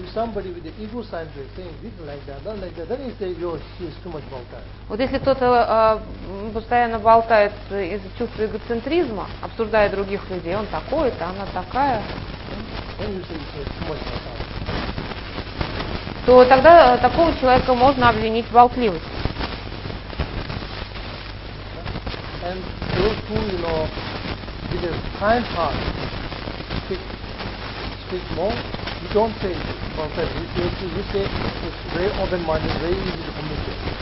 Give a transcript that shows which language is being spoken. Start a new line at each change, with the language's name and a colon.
English: If somebody with the ego sign is saying this like that, not like that, then you say, "Yo, she's too much болтает."
Russian: Вот если кто-то постоянно болтает из-за чувства эгоцентризма, обсуждая других людей, он такой-то, она такая,
English: then you say, "She's too much болтает."
Russian: То тогда такого человека можно обвинить в болтливости.
English: And those who, you know, with a kind heart, speak more. You don't say perfect. You say it's very open-minded, very easy to communicate.